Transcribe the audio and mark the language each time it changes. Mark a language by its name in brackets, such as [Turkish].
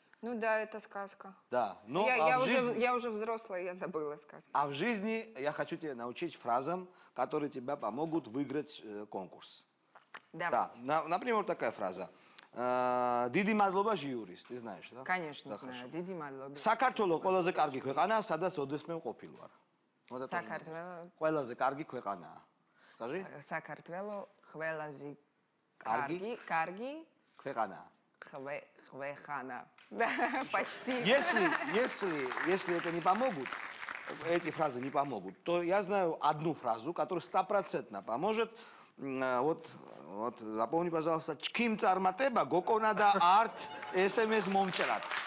[Russian] Ну да, это сказка. Да, ну я уже взрослая, я забыла сказку. А в жизни я хочу тебя научить фразам, которые тебе помогут выиграть конкурс. Давайте. Да, например, такая фраза. [Georgian] Диди мадлоба жиурис, [Russian] ты знаешь, да? Конечно, да, знаю. [Georgian] Диди мадлоба. Сакартвело ყველაზე კარგი ქვეყანა, სადაც ოდესმე ყოფილი ვარ. Сакартвело ყველაზე კარგი ქვეყანა. [Russian] Скажи? [Georgian] Сакартвело ყველაზე კარგი ქვეყანა. Ქვეყანა. [Russian] Почти. Если это не помогут, эти фразы не помогут, то я знаю одну фразу, которая 100% поможет. Вот, запомни, пожалуйста, [Georgian] чким царматеба, гоконада арт, смс момчарат.